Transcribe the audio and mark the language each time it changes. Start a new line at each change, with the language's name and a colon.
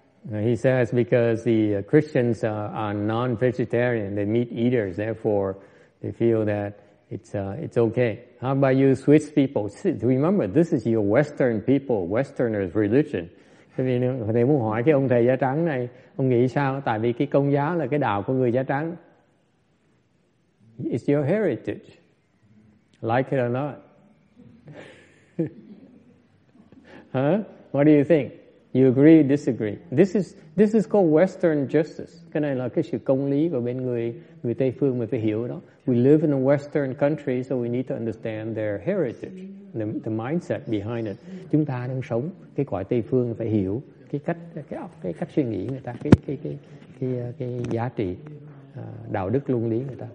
English: He says because the Christians are non-vegetarian, they're meat eaters, therefore they feel that it's okay. How about you Swiss people? Remember, this is your Western people, Westerners religion.
Vietnamese: Thầy muốn hỏi cái ông thầy da trắng này, ông nghĩ sao? Tại vì cái Công giáo là cái đạo của người da trắng.
English: It's your heritage, like it or not. Huh? What do you think? You agree, disagree? This is called Western justice.
Vietnamese: Cái này là cái sự công lý của bên người Tây phương, mình phải hiểu đó.
English: We live in a Western country, so we need to understand their heritage, the mindset behind it.
Vietnamese: Chúng ta đang sống cái cõi Tây phương, phải hiểu cái cách suy nghĩ người ta, cái giá trị đạo đức luân lý người ta.